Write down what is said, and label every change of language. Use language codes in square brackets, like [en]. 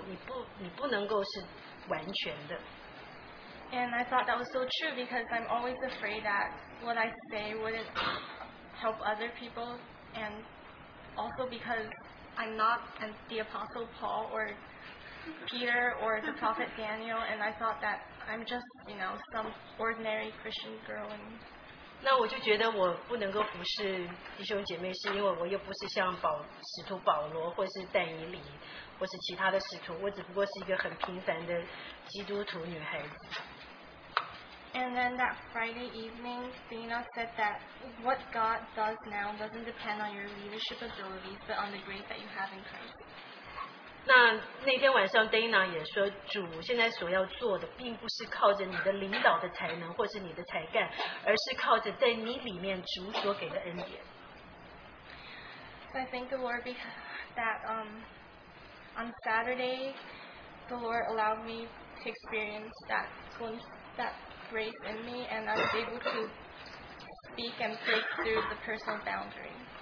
[zh] 那我就觉得主好像在告诉我，当你在服侍的时候，你不能够是完全的。 [en] And I thought that was so true because I'm always afraid that what I say wouldn't help other people, and also because I'm not the Apostle Paul or Peter or the Prophet Daniel, and I thought that I'm just, you know, some ordinary Christian girl. [zh] 那我就觉得我不能够服侍弟兄姐妹，是因为我又不是像保使徒保罗，或是但以理，或是其他的使徒，我只不过是一个很平凡的基督徒女孩子。 [en] And then that Friday evening, Dina said that what God does now doesn't depend on your leadership abilities, but on the grace that you have in [zh] 那天晚上 Dana 也说，主现在所要做的并不是靠着你的领导的才能或是你的才干，而是靠着在你里面主所给的恩典。 [en] So I thank the Lord that on Saturday, the Lord allowed me to experience that grace in me, and I was able to speak and break through the personal boundary.